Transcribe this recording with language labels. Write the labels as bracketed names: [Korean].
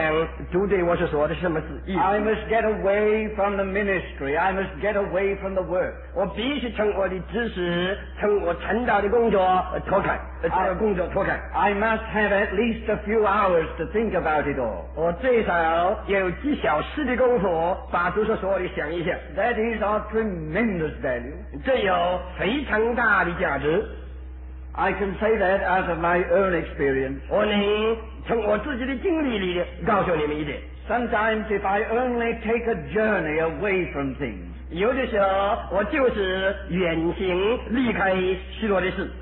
[Chinese] 也常常对自己说,我必须脱开一切安静的一些思想,主对我所说的什么意思。 [English] I must get away from the ministry, I must get away from the work. [Chinese] 我必须从我的知识,从我传达的工作脱开。 [English] I must have at least a few hours to think about it all. [Chinese] 我最少有几小时的功夫,把主所说的想一下。 [English] These are tremendous value. [Chinese] 这有非常大的价值。 [English] I can say that out of my own experience. [Chinese] 我能从我自己的经历里告诉你们一点。 [English] Sometimes if I only take a journey away from things, [Chinese] 有的时候我就是远行离开许多的事。